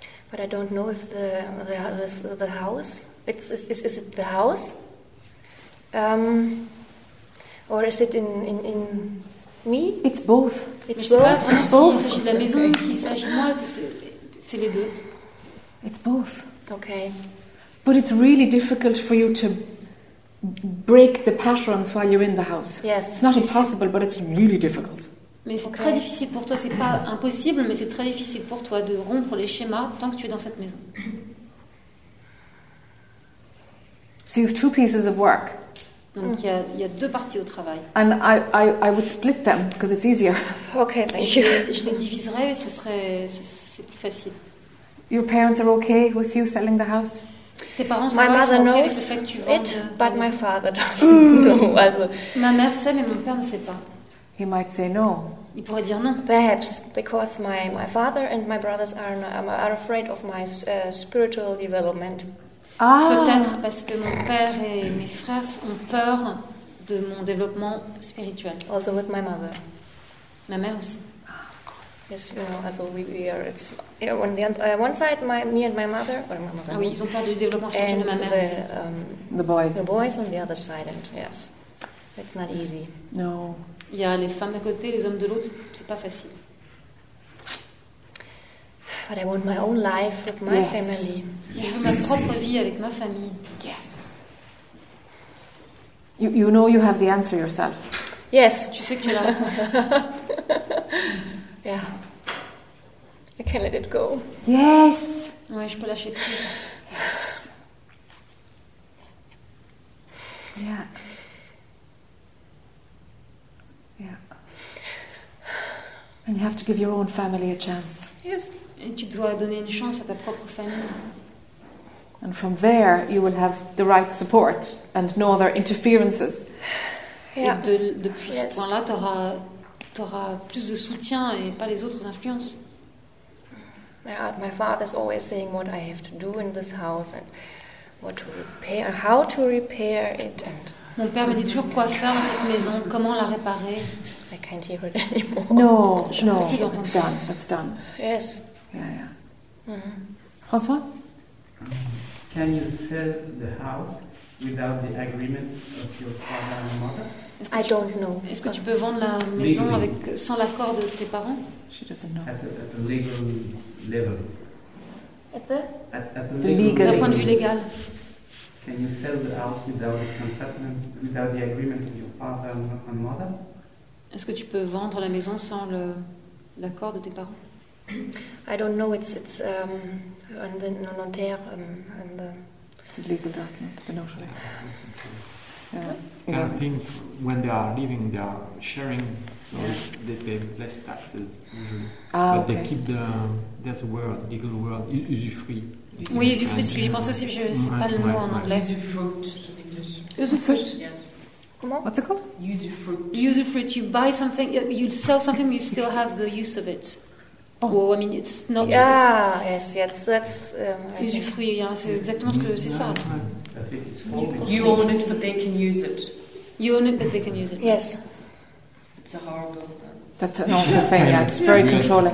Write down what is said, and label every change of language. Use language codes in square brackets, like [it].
[en] But I don't know if the house... Is it the house? Or is it in me? It's both. It's both. It's both. [fr] S'agit de la maison, s'il s'agit de moi, c'est les deux. [en] It's both. Okay. But it's really difficult for you to break the patterns while you're in the house. Yes. It's not impossible, but it's really difficult. [fr] Mais c'est très difficile pour toi. C'est pas impossible, mais c'est très difficile pour toi de rompre les schémas tant que tu es dans cette maison. [en] So you have two pieces of work. [fr] Donc il y a deux parties au travail. [en] And I would split them because it's easier. Okay, thank you. [fr] Je les diviserais, c'est plus facile. [en] Your parents are okay with you selling the house? [fr] Tes parents sont okay avec le fait que tu vends? [en] It, but my father doesn't know. [fr] Ma mère sait, mais mon père ne sait pas. [en] He might say no. [fr] Il pourrait dire non. [en] Perhaps because my father and my brothers are afraid of my spiritual development. Ah. [fr] Peut-être parce que mon père et mes frères ont peur de mon développement spirituel. [en] Also with my mother. [fr] Ma mère aussi. [en] Ah, yes, you know, also we are. It's on the one side, me and my mother. Or my mother. [fr] Ah, oui, ils ont peur du développement spirituel de ma mère [en] the, [fr] aussi. [en] The boys. The boys on the other side, and yes, it's not easy. No. [fr] Il y a les femmes d'un côté, les hommes de l'autre. C'est pas facile. [en] But I want my own life with my family. [fr] Je veux ma propre vie avec ma famille. [en] Yes. You know you have the answer yourself. Yes. [fr] Tu sais que tu l'as. [en] Yeah. I can let it go. Yes. [fr] Ouais, je peux lâcher prise. [en] Yes. Yeah. Yeah. And you have to give your own family a chance. Yes. [fr] Et tu dois donner une chance à ta propre famille. [en] And from there, you will have the right support and no other interferences. Yeah. [fr] Et depuis ce point-là, t'auras plus de soutien et pas les autres influences. [en] My father's always saying what I have to do in this house and what to repair, how to repair it. And [fr] mon père me dit toujours quoi faire dans cette maison, comment la réparer. [en] I can't hear it anymore. No, that's done. Yes. Yeah. Mm-hmm. François? Can you sell the house without the agreement of your father and mother? I don't know. [fr] Est-ce que tu peux vendre la maison avec, sans l'accord de tes parents? [en] She doesn't know. At the legal level. At the legal [fr] level. Point de vue légal. [en] Can you sell the house without the consent, without the agreement of your father and mother? [fr] Est-ce que tu peux vendre la maison sans l'accord de tes parents? [en] I don't know. It's on the notaire and the legal document, the notary. Kind of thing. When they are leaving, they are sharing, so they pay less taxes usually. Ah, but okay. They keep the there's a word, legal word, usufruit. [fr] Oui, usufruit. Ce que j'y pense aussi, je sais pas le mot en anglais. Usufruit. Usufruit. [en] Yes. [fr] Comment? [en] What's it called? [fr] Usufruit. Usufruit. [en] You buy something, you sell something, you still have the use of it. Oh, well, I mean, it's not. Yeah, it's, yes, that's. [fr] Usufruit, yeah, c'est exactement ce que c'est ça. [en] You own it, but they can use it. You own it, but they can use it. Yes. It's a horrible. That's an awful thing, yeah, it's very controlling.